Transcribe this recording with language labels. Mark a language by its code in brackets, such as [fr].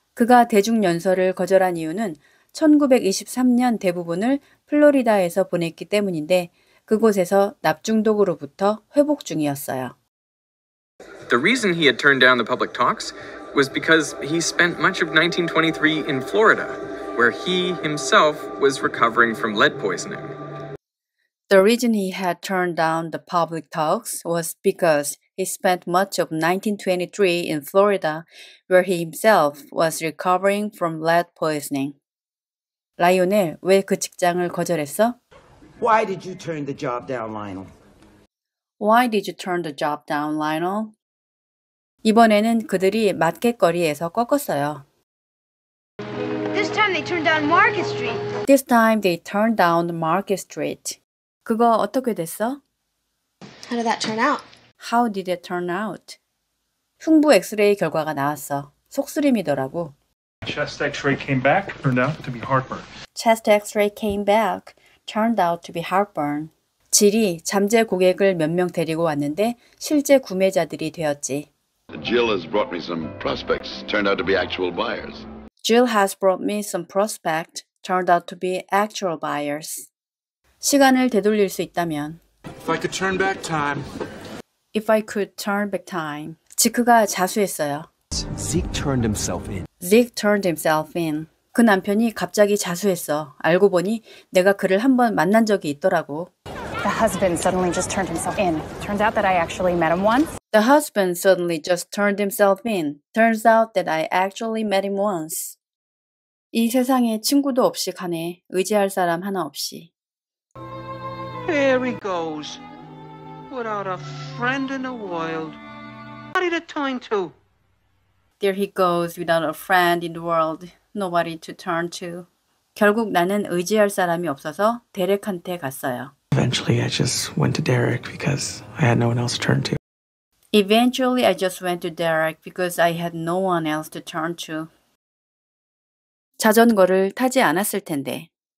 [ko] 그가 대중연설을 거절한 이유는 1923년 대부분을 플로리다에서 보냈기 때문인데 그곳에서 납중독으로부터 회복 중이었어요. [en] The reason he had turned down the public talks was because he spent much of 1923 in Florida, where he himself was recovering from lead poisoning. The reason he had turned down the public talks was because he spent much of 1923 in Florida, where he himself was recovering from lead poisoning. [ko] 라이오넬, 왜 그 직장을 거절했어? [en] Why did you turn the job down, Lionel? Why did you turn the job down, Lionel? [ko] 이번에는 그들이 마켓거리에서 꺾었어요. [en] This time they turned down Market Street. This time they turned down Market Street. [ko] 그거 어떻게 됐어? [en] How did that turn out? How did it turn out? [ko] 흉부 엑스레이 결과가 나왔어. 속쓰림이더라고. [en] Chest X-ray came back, turned out to be heartburn. Chest X-ray came back, turned out to be heartburn. [ko] 질이 잠재 고객을 몇 명 데리고 왔는데 실제 구매자들이 되었지. [en] Jill has brought me some prospects, turned out to be actual buyers. Jill has brought me some prospects, turned out to be actual buyers. [ko] 시간을 되돌릴 수 있다면 [en] If I could turn back time. If I could turn back time. [ko] 지크가 자수했어요. [en] Zeke turned himself in. Zeke turned himself in. [ko] 그 남편이 갑자기 자수했어. 알고 보니 내가 그를 한번 만난 적이 있더라고. [en] The husband suddenly just turned himself in. Turns out that I actually met him once. The husband suddenly just turned himself in. Turns out that I actually met him once. [ko] 이 세상에 친구도 없이 가네. 의지할 사람 하나 없이. [en] There he goes. Without a friend in the world. Nobody to turn to. There he goes without a friend in the world. Nobody to turn to. [ko] 결국 나는 의지할 사람이 없어서 데렉한테 갔어요. [en] Eventually I just went to Derek because I had no one else to turn to. Eventually I just went to Derek because I had no one else to turn to. [ko] 자전거를 타지 않았을 텐데.